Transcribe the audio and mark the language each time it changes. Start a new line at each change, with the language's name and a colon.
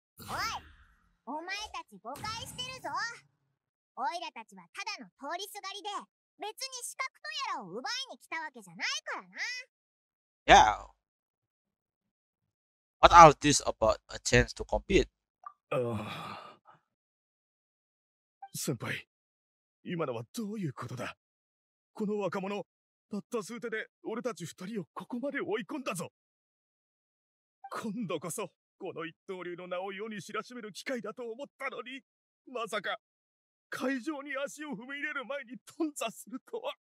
Japanese: おい、お前たち誤解してるぞ。オイラたちはただの通りすがりで、別に資格とやらを奪いに来たわけじゃないからな。
English: Yeah. What are this about a chance to compete?
Japanese: 先輩、今のはどういうことだ。この若者、たった数手で俺たち二人をここまで追い込んだぞ。今度こそこの一刀流の名を世に知らしめる機会だと思ったのに、まさか会場に足を踏み入れる前に頓挫するとは。